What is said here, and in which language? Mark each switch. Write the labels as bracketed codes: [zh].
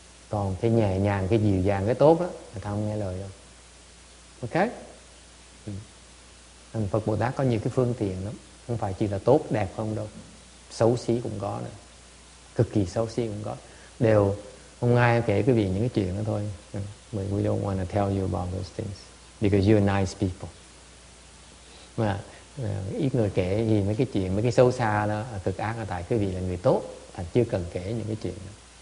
[vi] Còn cái nhẹ nhàng, cái dịu dàng, cái tốt đó, người ta không nghe lời đâu. Ok. Thành Phật Bồ Tát có nhiều cái phương tiện lắm, không phải chỉ là tốt đẹp không đâu, xấu xí cũng có nữa, cực kỳ xấu xí cũng có. Đều hôm nay kể quý vị những cái chuyện đó thôi. [en] But we don't want to tell you about those things because you're nice people. [vi] Mà ít người kể gì mấy cái chuyện, mấy cái xấu xa đó, cực ác, là tại quý vị là người tốt, thành chưa cần kể những cái chuyện đó.